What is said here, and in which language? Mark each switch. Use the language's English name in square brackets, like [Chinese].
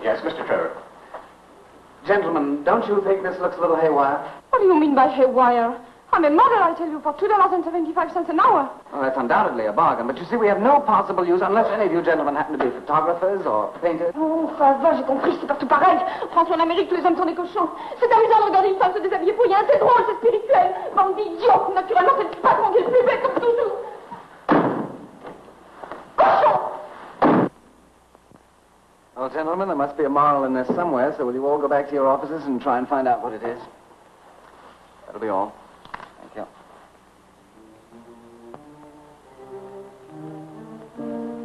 [English] Yes, Mr. Trevor. Gentlemen, don't you think this looks a little haywire? What do you mean by haywire? I'm a model, I tell you, for $2.75 an hour. Well, that's undoubtedly a bargain. But you see, we have no possible use unless any of you gentlemen happen to be photographers or painters. [French] Oh, faveur, j'ai compris, c'est partout pareil. France, en Amérique, tous les hommes sont des cochons. C'est amusant de regarder une femme se déshabiller pour rien. C'est drôle, c'est spirituel. Bande d'idiots, naturellement, c'est pas le monde qui est plus bête, comme toujours. [English] Well, gentlemen, there must be a moral in this somewhere, so will you all go back to your offices and try and find out what it is? That'll be all. Thank you.